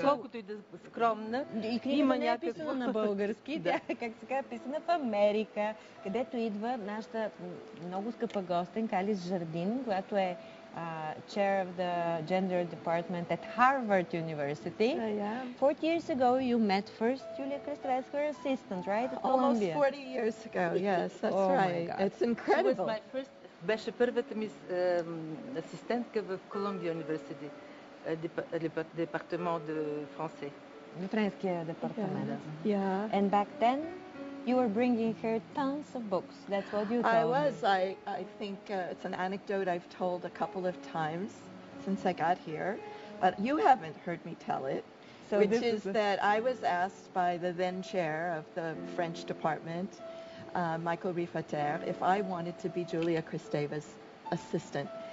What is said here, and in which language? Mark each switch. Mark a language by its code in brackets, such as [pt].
[bg] Колкото и да скромна, и книга не е някакво... писана на български, да. Как се казва, писана в Америка, където идва нашата много скъпа гостен, Калис Жардин, която е [en] chair of the gender department at Harvard University. Yeah. 40 years ago, you met first Julia Kristeva as her assistant, right? At Almost 40 years ago, yes, that's oh right. It's incredible. She was my first... [bg] Беше първата ми асистентка в Columbia University, департамент [fr] de français. [bg] Френския департамент. [en] Yeah. And back then, you were bringing her tons of books. That's what you told me. I was. I think it's an anecdote I've told a couple of times since I got here, but you haven't heard me tell it, so which is that I was asked by the then chair of the French department, Michael Rifater, if I wanted to be Julia Kristeva's assistant.